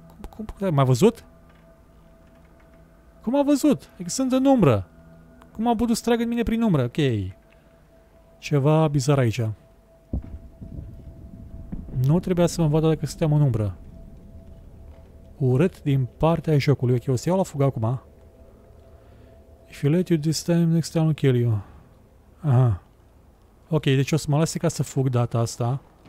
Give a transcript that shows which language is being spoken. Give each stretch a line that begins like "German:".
Romanian: Cum m-a văzut? Cum a văzut? E că sunt în umbră. Cum a putut să tragă mine prin umbră? Ok. Ceva bizar aici. Nu trebuia să mă vadă dacă stăteam în umbră. Urât din partea jocului. Ok, o să iau la fugă acum.
English: If you let you this time, next time I'll kill you. Aha.
Romanian: Ok, deci o să mă lase ca să fug data asta.